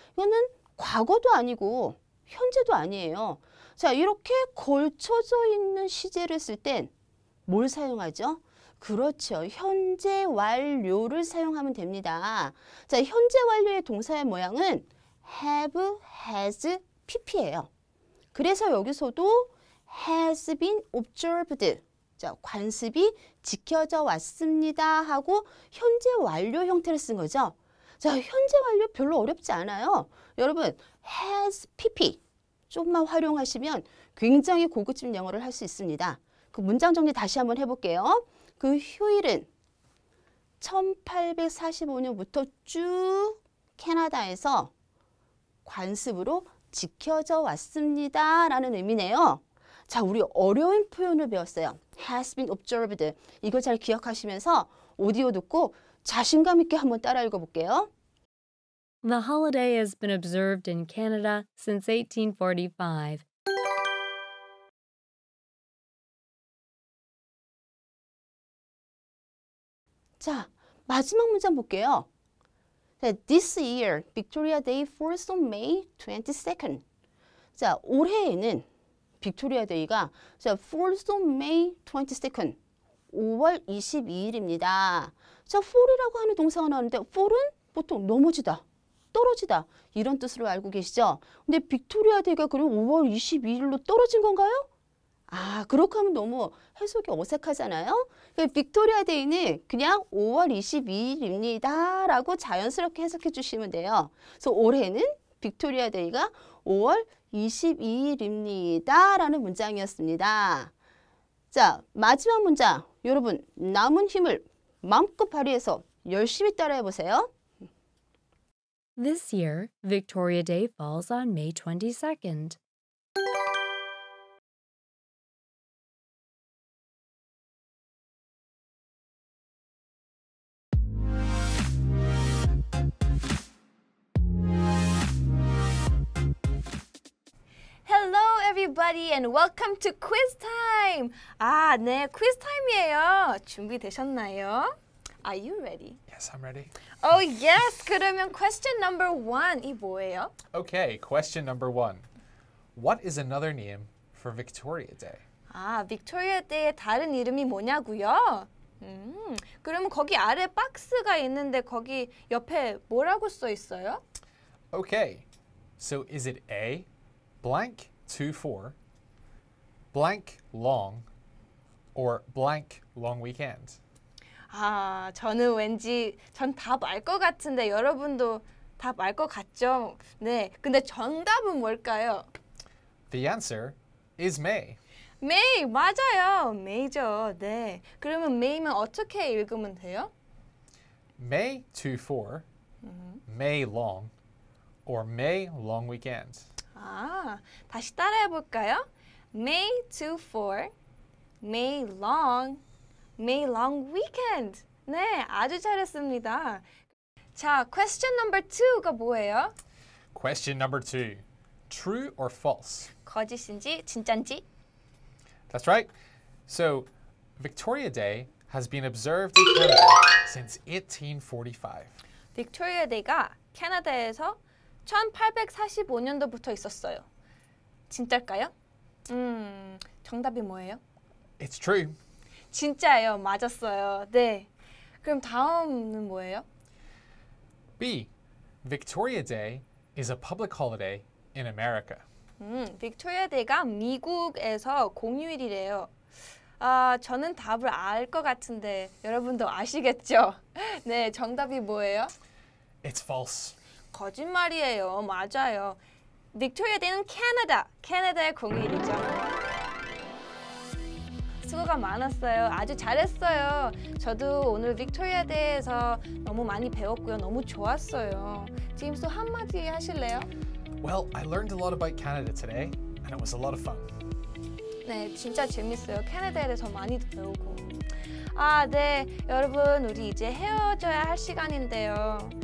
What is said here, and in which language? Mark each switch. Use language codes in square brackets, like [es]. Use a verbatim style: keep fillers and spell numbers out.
[ko] 이거는 과거도 아니고 현재도 아니에요. 자, 이렇게 걸쳐져 있는 시제를 쓸 땐 뭘 사용하죠? 그렇죠. 현재 완료를 사용하면 됩니다. 자, 현재 완료의 동사의 모양은 have, has, pp예요. 그래서 여기서도 [en] has been observed. [ko] 자, 관습이 지켜져 왔습니다 하고 현재 완료 형태를 쓴 거죠. 자, 현재 완료 별로 어렵지 않아요. 여러분, has pp 조금만 활용하시면 굉장히 고급진 영어를 할 수 있습니다. 그 문장 정리 다시 한번 해볼게요. 그 휴일은 천팔백사십오 년부터 쭉 캐나다에서 관습으로 지켜져 왔습니다 라는 의미네요. 자, 우리 어려운 표현을 배웠어요. [en] has been observed. [ko] 이거 잘 기억하시면서 오디오 듣고 자신감 있게 한번 따라 읽어볼게요. [en] The holiday has been observed in Canada since eighteen forty-five. [ko] 자, 마지막 문장 볼게요. [en] This year, Victoria Day falls on May twenty-second. [ko] 자, 올해에는 빅토리아 데이가 자, [en] falls on May twenty-second, [ko] 오월 이십이일입니다. 자, fall이라고 하는 동사가 나오는데 fall은 보통 넘어지다, 떨어지다 이런 뜻으로 알고 계시죠? 근데 빅토리아 데이가 그럼 오월 이십이일로 떨어진 건가요? 아, 그렇게 하면 너무 해석이 어색하잖아요. 그러니까 빅토리아 데이는 그냥 오월 이십이일입니다 라고 자연스럽게 해석해 주시면 돼요. 그래서 올해는 빅토리아 데이가 오월 이십이일입니다 라는 문장이었습니다. 자, 마지막 문장. 여러분, 남은 힘을 마음껏 발휘해서 열심히 따라해 보세요. [en] This year, Victoria Day falls on May twenty-second. Hello, everybody, and welcome to quiz time. [ko] 아, 네, quiz time이에요. 준비되셨나요? [en] Are you ready? Yes, I'm ready. Oh, yes. [ko] 그러면 [en] question number one, [ko] 이 뭐예요? [en] Okay, question number one. What is another name for Victoria Day? [ko] 아, 빅토리아 데이의 다른 이름이 뭐냐고요? 음, 그러면 거기 아래 박스가 있는데 거기 옆에 뭐라고 써 있어요? [en] Okay, so is it A? Blank two four, blank long, or blank long weekend? [ko] 아, 저는 왠지 전 답 알 것 같은데 여러분도 답 알 것 같죠? 네, 근데 정답은 뭘까요? [en] The answer is May. [ko] May, 맞아요. May죠. 네, 그러면 May면 어떻게 읽으면 돼요? [en] May two four, mm-hmm. May long, or May long weekend. [ko] 아, 다시 따라해 볼까요? [en] May two four, May long, May long weekend. [ko] 네, 아주 잘했습니다. 자, [en] question number two [ko] 가 뭐예요? [en] Question number two. True or false? [ko] 거짓인지 진짠지? [en] That's right. So, Victoria Day has been observed in Canada since eighteen forty-five. [ko] 빅토리아 데이가 캐나다에서 천팔백사십오 년도부터 있었어요. 진짜일까요? 음, 정답이 뭐예요? [en] It's true. [ko] 진짜예요. 맞았어요. 네. 그럼 다음은 뭐예요? [en] B. Victoria Day is a public holiday in America. [ko] 음, 빅토리아 데이가 미국에서 공휴일이래요. 아, 저는 답을 알 것 같은데 여러분도 아시겠죠? 네, 정답이 뭐예요? [en] It's false. [ko] 거짓말이에요. 맞아요. 빅토리아 데이는 캐나다, 캐나다의 공휴일이죠. 수고가 많았어요. 아주 잘했어요. 저도 오늘 빅토리아 데이에서 너무 많이 배웠고요. 너무 좋았어요. 제임스 한마디 하실래요? [en] Well, I learned a lot about Canada today, and it was a lot of fun. [ko] 네, 진짜 재밌어요. 캐나다에 대해서 많이 배우고. 아, 네, 여러분, 우리 이제 헤어져야 할 시간인데요.